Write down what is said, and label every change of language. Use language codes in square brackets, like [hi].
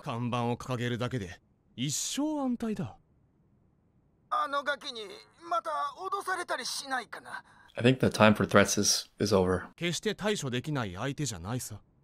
[ja] 看板を掲げるだけで、一生安泰だ。あのガキにまた脅されたりしないかな。 [en] I think the time for threats is over. [ja] 決して対処できない相手じゃないさ。